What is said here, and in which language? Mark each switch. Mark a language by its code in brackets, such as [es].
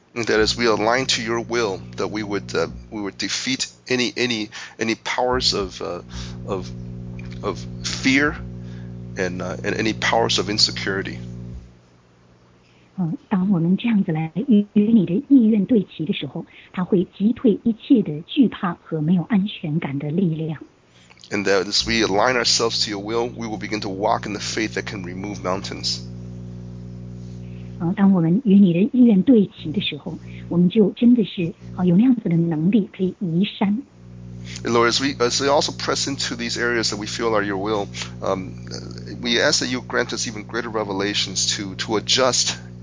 [en] That as we align to your will, that we would defeat any powers of fear and any powers of insecurity. [zh] 当我们这样子来与你的意愿对齐的时候，它会击退一切的惧怕和没有安全感的力量。 [en] And that as we align ourselves to your will, we will begin to walk in the faith that can remove mountains. [zh] 当我们与你的意愿对齐的时候，我们就真的是有那样子的能力可以移山。 [en] And Lord, as we also press into these areas that we feel are your will, we ask that you grant us even greater revelations to adjust.